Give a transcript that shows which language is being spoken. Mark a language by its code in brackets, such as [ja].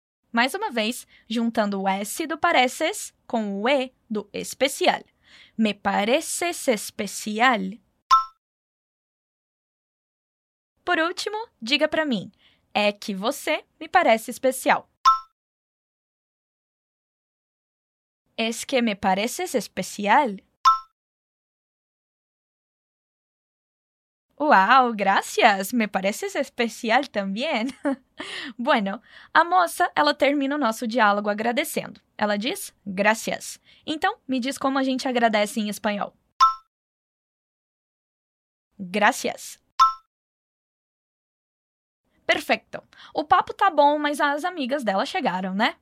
[pt] Mais uma vez, juntando o S do pareces com o E do especial. [es] Me pareces especial? [pt] Por último, diga para mim, é que você me parece especial. [es] Es que me pareces especial. Uau, gracias. Me pareces especial también. Bueno, [pt] a moça, ela termina o nosso diálogo agradecendo. Ela diz gracias. Então, me diz como a gente agradece em espanhol. [es] Gracias. Perfecto. [pt] O papo tá bom, mas as amigas dela chegaram, né?